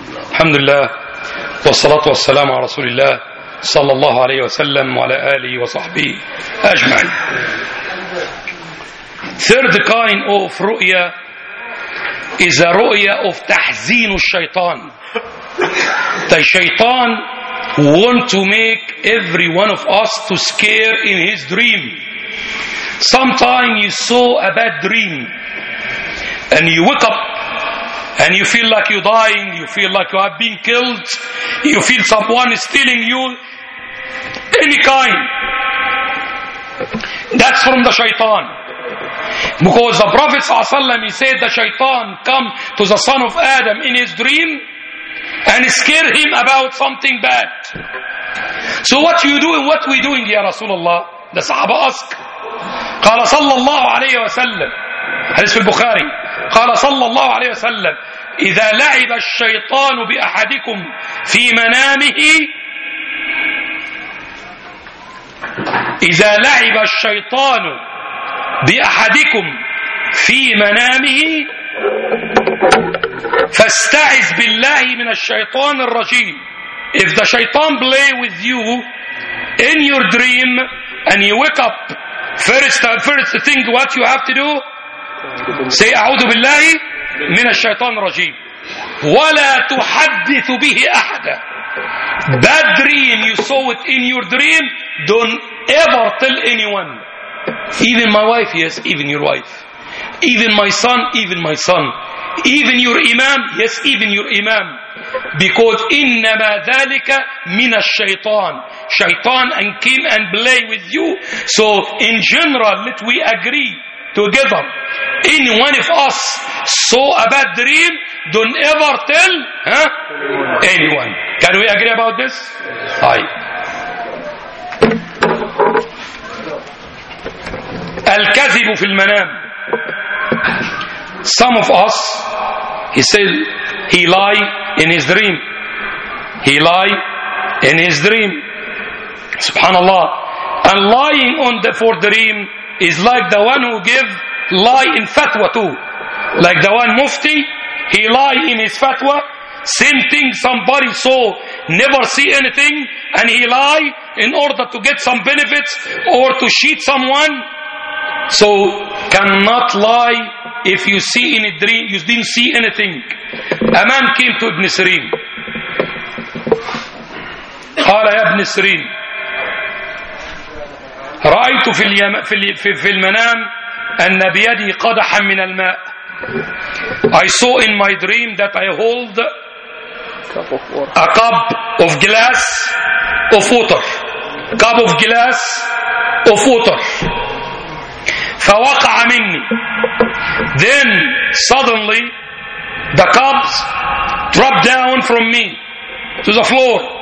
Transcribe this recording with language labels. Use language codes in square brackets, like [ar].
[ar] الحمد لله والصلاة والسلام على رسول الله صلى الله عليه وسلم وعلى آله وصحبه أجمعين. [en] Third kind of ru'ya is a ru'ya of تحزين الشيطان. The shaitan want to make every one of us to scare in his dream. Sometime you saw a bad dream and you wake up and you feel like you're dying, you feel like you have been killed, you feel someone is stealing you, any kind. That's from the shaitan. Because the Prophet ﷺ, he said the shaitan come to the son of Adam in his dream and scare him about something bad. So what you doing? What we doing, ya Rasulullah? The Sahaba ask. [ar] قال صلى الله عليه وسلم حديث في البخاري قال صلى الله عليه وسلم إذا لعب الشيطان بأحدكم في منامه إذا لعب الشيطان بأحدكم في منامه فاستعذ بالله من الشيطان الرجيم. [en] If the shaitan play with you in your dream and you wake up, first thing what you have to do, say [ar] أعوذ بالله من الشيطان الرجيم. ولا تحدث به أحدا. [en] That dream you saw it in your dream, don't ever tell anyone. Even my wife, yes, even your wife. Even my son, even my son. Even your imam, yes, even your imam. Because [ar] إنما ذلك من الشيطان. [en] Shaitan and came and play with you. So in general, let we agree together. Any one of us saw a bad dream, don't ever tell anyone. Can we agree about this? Aye. [ar] الكذب في المنام. [en] Some of us, he said, he lie in his dream. He lie in his dream. Subhanallah. And lying on the for dream is like the one who give lie in fatwa too. Like the one mufti, he lie in his fatwa. Same thing somebody saw, never see anything, and he lie in order to get some benefits or to cheat someone. So cannot lie if you see in a dream, you didn't see anything. A man came to Ibn Sirin. [ar] قال يا ابن سيرين رأيت في اليم في المنام أن بيدي قدحا من الماء. [en] I saw in my dream that I hold a cup of glass of water. Cup of glass of water. [ar] فوقع مني. [en] Then suddenly the cups dropped down from me to the floor.